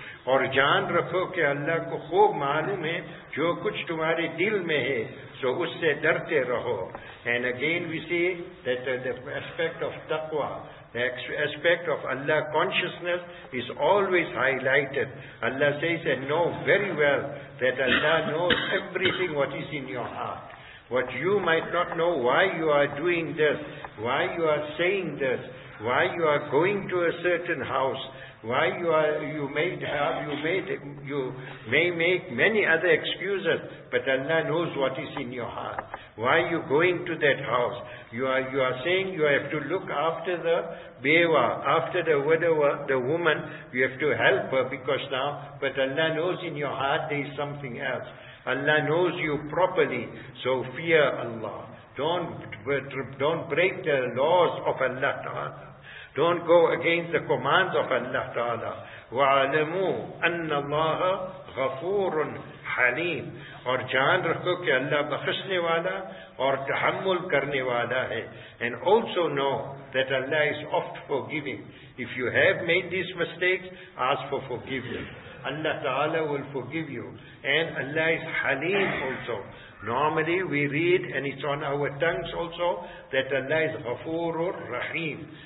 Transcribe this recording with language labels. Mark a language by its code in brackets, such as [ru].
[ur] اور جان رکھو کہ اللہ کو خوب معلوم ہے جو کچھ تمہارے دل میں ہے, سو اس سے ڈرتے رہو. [en] And again we see that the aspect of taqwa, the aspect of Allah consciousness is always highlighted. Allah says, and know very well that Allah knows everything what is in your heart. What you might not know, why you are doing this, why you are saying this, why you are going to a certain house, Why you may make many other excuses, but Allah knows what is in your heart. Why you going to that house? You are saying you have to look after the bewa, after the widower, the woman. You have to help her because now, but Allah knows in your heart there is something else. Allah knows you properly, so fear Allah. Don't break the laws of Allah Ta'ala. Don't go against the commands of Allah Ta'ala. [ar] وَعَلَمُوا أَنَّ اللَّهَ غَفُورٌ حَلِيمٌ [ur] اور جان رکھو کہ اللہ بخشنے والا اور تحمل کرنے والا ہے. [en] And also know that Allah is oft forgiving. If you have made these mistakes, ask for forgiveness. Allah Ta'ala will forgive you. And Allah is Haleem also. Normally we read, and it's on our tongues also, that Allah is Ghafoorur Rahim.